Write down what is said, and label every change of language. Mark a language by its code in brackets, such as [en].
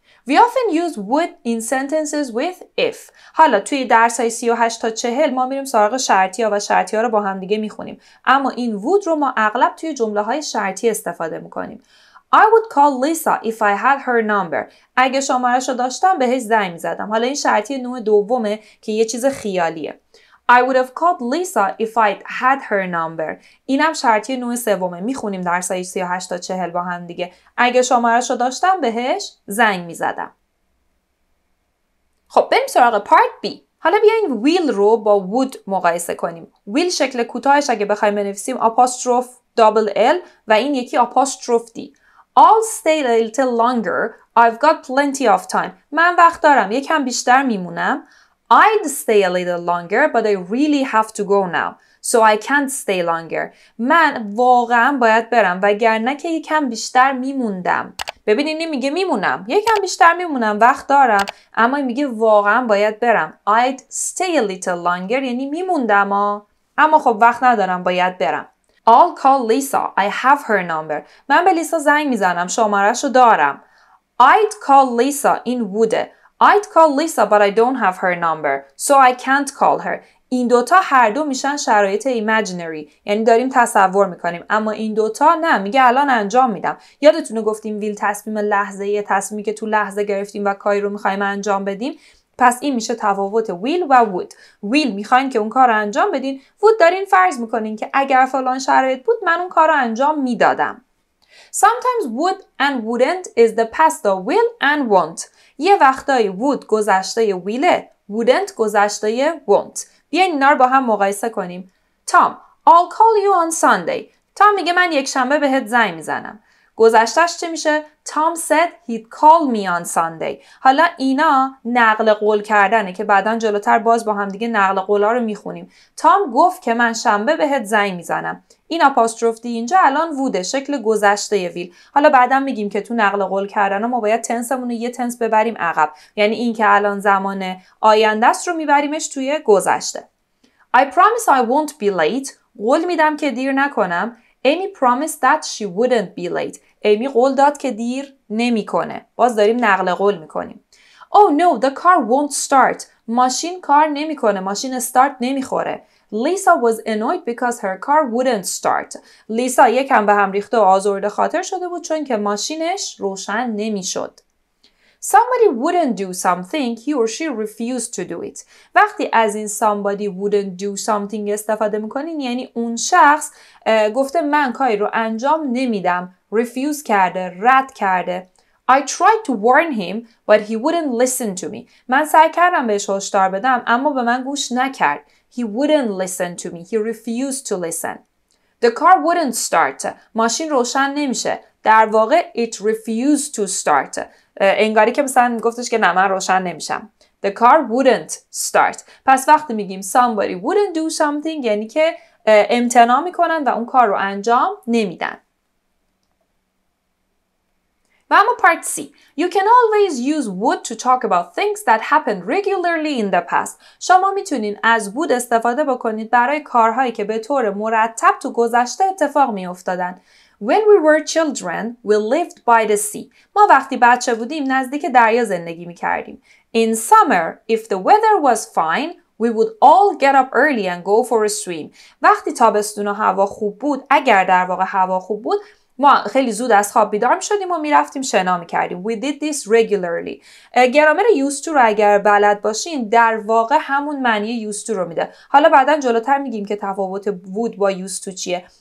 [en] We often use would in sentences with if. [fa] حالا توی درس های 38 تا 40 ما میریم سراغ شرطی ها و شرطی ها رو با هم دیگه میخونیم، اما این would رو ما اغلب توی جمله های شرطی استفاده میکنیم. [en] I would call Lisa if I had her number، [fa] اگه شمارش رو داشتم بهش زنگ میزدم. حالا این شرطی نوع دومه که یه چیز خیالیه. [en] I would have called Lisa if I'd had her number. [fa] اینم شرطی نوع سومه. میخونیم در سایه 38 تا 40 با هم دیگه. اگه شمارشو داشتم بهش زنگ میزدم. خب بریم سراغ پارت B. حالا بیاین will رو با would مقایسه کنیم. will شکل کوتاهش اگه بخوایم بنویسیم apostrophe double L و این یکی apostrophe D. [en] I'll stay a little longer. I've got plenty of time. [fa] من وقت دارم. یکم بیشتر میمونم. [en] I'd stay a little longer, but I really have to go now. So I can't stay longer. [fa] من واقعا باید برم وگرنه که یکم بیشتر میموندم. ببینین میگه میمونم. یکم بیشتر میمونم. وقت دارم. اما میگه واقعا باید برم. [en] I'd stay a little longer. [fa] یعنی میموندم. اما خب وقت ندارم. باید برم. [en] I'll call Lisa. I have her number. [fa] من به لیسا زنگ میزنم. شمارشو دارم. [en] I'd call Lisa. [fa] این ووده. [en] I'd call Lisa, but I don't have her number. So I can't call her. [fa] این دوتا هر دو میشن شرایط imaginary. یعنی داریم تصور میکنیم. اما این دوتا نه. میگه الان انجام میدم. یادتونه گفتیم will تصمیم لحظه یه تصمیمی که تو لحظه گرفتیم و کاری رو میخواییم انجام بدیم. پس این میشه تفاوت will و would. will میخواین که اون کار رو انجام بدین. would دارین فرض میکنین که اگر فلان شرایط بود من اون کار رو انجام میدادم. [en] Sometimes would and wouldn't is the past of will and won't. [fa] یه وقتای would گذشته ویله. wouldn't گذشته won't. بیاین اینا رو با هم مقایسه کنیم. [en] Tom, I'll call you on Sunday. [fa] Tom میگه من یک شنبه بهت زنگ میزنم. گذشتش چه میشه؟ [en] Tom said he'd call me on Sunday. [fa] حالا اینا نقل قول کردنه که بعدن جلوتر باز با هم دیگه نقل قولا رو میخونیم. Tom گفت که من شنبه بهت زنگ میزنم. این apostrophe دی اینجا الان ووده، شکل گذشته ویل. حالا بعدن میگیم که تو نقل قول کردن ما باید تنسمون رو یه تنس ببریم عقب. یعنی این که الان زمان آینده است رو میبریمش توی گذشته. [en] I promise I won't be late. [fa] قول میدم که دیر نکنم. [en] Amy promised that she wouldn't be late. [fa] Amy قول داد که دیر نمی کنه. باز داریم نقل قول می کنیم. [en] Oh no, the car won't start. [fa] ماشین کار نمی کنه. ماشین استارت نمی خوره. [en] Lisa was annoyed because her car wouldn't start. [fa] لیسا یکم به هم ریخته و آزرده خاطر شده بود چون که ماشینش روشن نمی شد. [en] Somebody wouldn't do something, he or she refused to do it. [fa] وقتی از این [en] somebody wouldn't do something [fa] استفاده میکنین یعنی اون شخص گفته من کاری رو انجام نمیدم. Refuse کرده، رد کرده. [en] I tried to warn him, but he wouldn't listen to me. [fa] من سعی کردم بهش هشدار بدم اما به من گوش نکرد. [en] He wouldn't listen to me, he refused to listen. The car wouldn't start. [fa] ماشین روشن نمیشه. در واقع [en] it refused to start. [fa] انگاری که مثلا گفتش که نه من روشن نمیشم. [en] The car wouldn't start. [fa] پس وقتی میگیم [en] somebody wouldn't do something [fa] یعنی که امتنا میکنن و اون کار رو انجام نمیدن. و اما part C. [en] You can always use would to talk about things that happened regularly in the past. [fa] شما میتونین از would استفاده بکنید برای کارهایی که به طور مرتب تو گذشته اتفاق میافتادن. [en] When we were children, we lived by the sea. [fa] ما وقتی بچه بودیم نزدیک دریا زندگی می‌کردیم. [en] In summer, if the weather was fine, we would all get up early and go for a swim. [fa] وقتی تابستون و هوا خوب بود، اگر در واقع هوا خوب بود، ما خیلی زود از خواب بیدار می‌شدیم و می‌رفتیم شنا می‌کردیم. [en] We did this regularly. [fa] گرامر used to رو اگر بلد باشین، در واقع همون معنی used to رو میده. حالا بعداً جلوتر می‌گیم که تفاوت would با used to چیه.